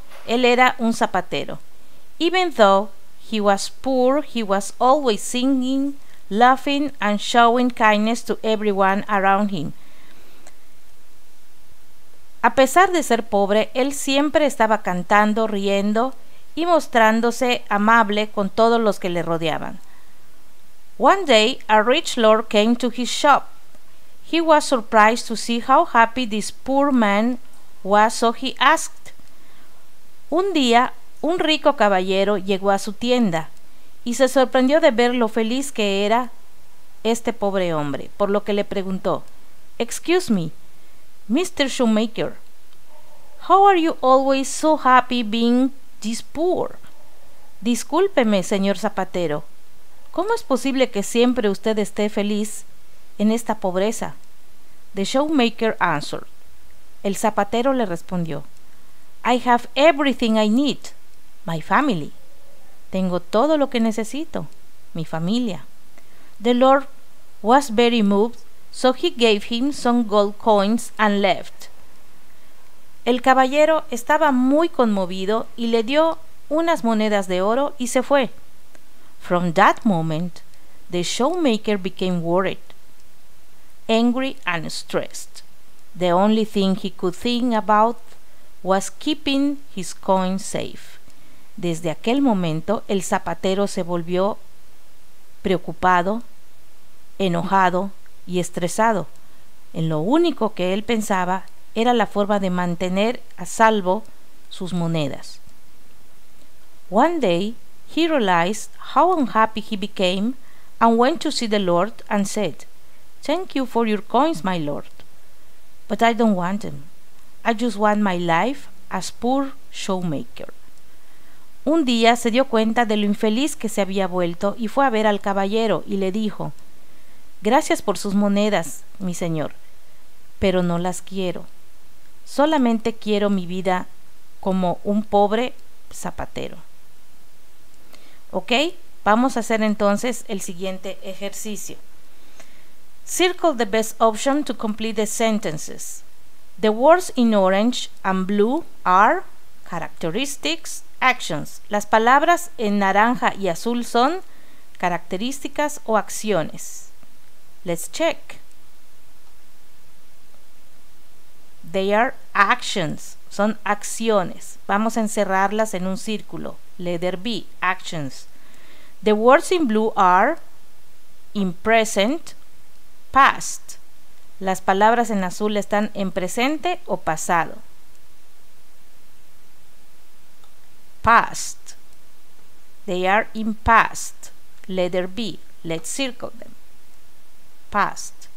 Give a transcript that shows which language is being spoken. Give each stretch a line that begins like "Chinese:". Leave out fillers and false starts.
Spanish: Él era un zapatero.
English: Even though he was poor, he was always singing, laughing and showing kindness to everyone around him.
Spanish: A pesar de ser pobre, él siempre estaba cantando, riendo y mostrándose amable con todos los que le rodeaban.
English: One day, a rich lord came to his shop. He was surprised to see how happy this poor man was, so he asked.
Spanish: Un día, un rico caballero llegó a su tienda y se sorprendió de ver lo feliz que era este pobre hombre, por lo que le preguntó,
English: Excuse me, Mr. Shoemaker, how are you always so happy being this poor?
Spanish: Discúlpeme, señor zapatero, ¿Cómo es posible que siempre usted esté feliz en esta pobreza?
English: The shoemaker answered.
Spanish: El zapatero le respondió,
English: I have everything I need, my family.
Spanish: Tengo todo lo que necesito, mi familia.
English: The Lord was very moved, so he gave him some gold coins and left.
Spanish: El caballero estaba muy conmovido y le dio unas monedas de oro y se fue.
English: From that moment, the shoemaker became worried, angry and stressed. The only thing he could think about was keeping his coin safe.
Spanish: Desde aquel momento, el zapatero se volvió preocupado, enojado y estresado. En lo único que él pensaba era la forma de mantener a salvo sus monedas.
English: One day, he realized how unhappy he became and went to see the Lord and said, Thank you for your coins, my Lord. But I don't want them. I just want my life as poor shoemaker.
Spanish: Un día se dio cuenta de lo infeliz que se había vuelto y fue a ver al caballero y le dijo, Gracias por sus monedas, mi señor, pero no las quiero. Solamente quiero mi vida como un pobre zapatero. Ok, vamos a hacer entonces el siguiente ejercicio.
English: Circle the best option to complete the sentences. The words in orange and blue are characteristics, actions.
Spanish: Las palabras en naranja y azul son características o acciones.
English: Let's check. They are actions.
Spanish: Son acciones. Vamos a encerrarlas en un círculo.
English: Letter B, actions. The words in blue are in present, past.
Spanish: Las palabras en azul están en presente o pasado.
English: Past. They are in past. Letter B. Let's circle them. Past.